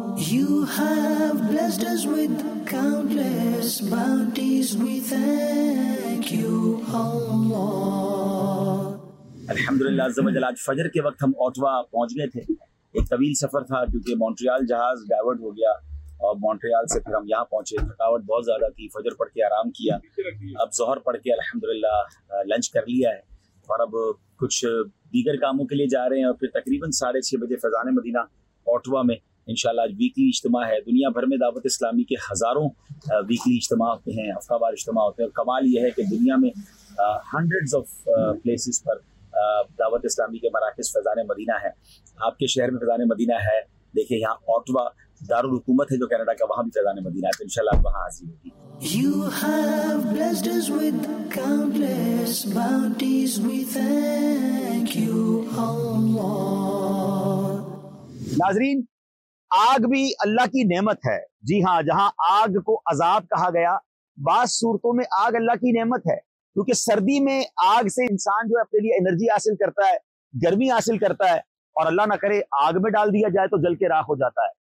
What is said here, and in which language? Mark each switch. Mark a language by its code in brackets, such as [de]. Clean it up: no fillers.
[en] You have blessed us with countless bounties, we thank you Allah. [ur] الحمدللہ عز و جل, آج فجر کے وقت ہم اوٹوا پہنچ گئے تھے. ایک طویل سفر تھا کیونکہ مونٹریال جہاز ڈائیورٹ ہو گیا, اور مونٹریال سے پھر ہم یہاں پہنچے. تھکاوٹ بہت زیادہ تھی, فجر پڑھ کے آرام کیا, اب ظہر پڑھ کے الحمدللہ لنچ کر لیا ہے, اور اب کچھ دیگر کاموں کے لیے جا رہے ہیں, اور پھر تقریباً 6:30 فیضان مدینہ اوٹوا میں انشاءاللہ آج ویکلی اجتماع ہے. دنیا بھر میں دعوت اسلامی کے ہزاروں ویکلی اجتماع ہوتے ہیں, ہفتہ وار اجتماع ہوتے ہیں, اور کمال یہ ہے کہ دنیا میں ہنڈریڈز آف پلیسز پر دعوت اسلامی کے مراکز فیضان مدینہ ہے. آپ کے شہر میں فیضان مدینہ ہے, دیکھیں یہاں اوٹوا دارال حکومت ہے جو کینیڈا کا, وہاں بھی فیضان مدینہ ہے, تو انشاءاللہ آپ وہاں حاضر ہوگی. [en] You have blessed us with countless bounties, we thank you Allah. [ur] ناظرین آگ بھی اللہ کی نعمت ہے. جی ہاں, جہاں آگ کو عذاب کہا گیا, بعض صورتوں میں آگ اللہ کی نعمت ہے, کیونکہ سردی میں آگ سے انسان جو اپنے لیے انرجی حاصل کرتا ہے, گرمی حاصل کرتا ہے, اور اللہ نہ کرے آگ میں ڈال دیا جائے تو جل کے راکھ ہو جاتا ہے.